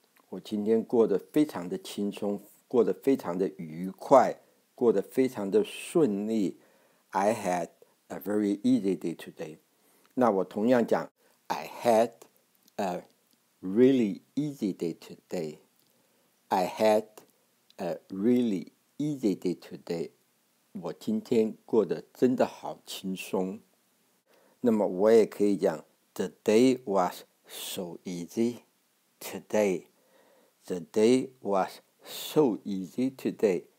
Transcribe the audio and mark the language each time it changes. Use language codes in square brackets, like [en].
[zh] 我今天过得非常的轻松，过得非常的愉快，过得非常的顺利。 [en] I had. A very easy day today. [zh] 那我同样讲 [en] I had a really easy day today. I had a really easy day today. [zh] 我今天过得真的好轻松。那么我也可以讲 [en] The day was so easy today. The day was so easy today.